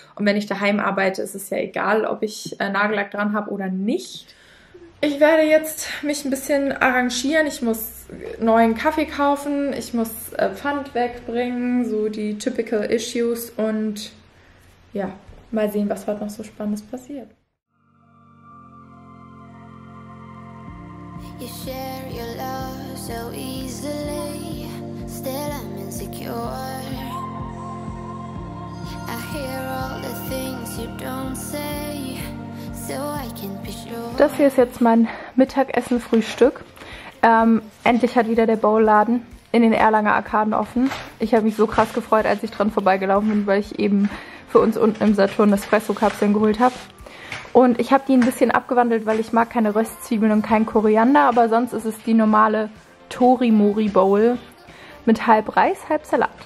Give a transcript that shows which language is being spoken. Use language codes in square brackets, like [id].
[de] Und wenn ich daheim arbeite, ist es ja egal, ob ich Nagellack dran habe oder nicht. Ich werde jetzt mich ein bisschen arrangieren. Ich muss neuen Kaffee kaufen, ich muss Pfand wegbringen, so die [en] typical issues. [de] Und ja, mal sehen, was heute noch so Spannendes passiert. [en] You share your love so easily, still I'm insecure. I hear all the things you don't say, so I can be sure. [de] Das hier ist jetzt mein Mittagessen-Frühstück. Endlich hat wieder der Bowl-Laden in den Erlanger Arkaden offen. Ich habe mich so krass gefreut, als ich dran vorbeigelaufen bin, weil ich eben für uns unten im Saturn Espresso-Kapseln geholt habe. Und ich habe die ein bisschen abgewandelt, weil ich mag keine Röstzwiebeln und kein Koriander, aber sonst ist es die normale Tori-Mori-Bowl mit halb Reis, halb Salat.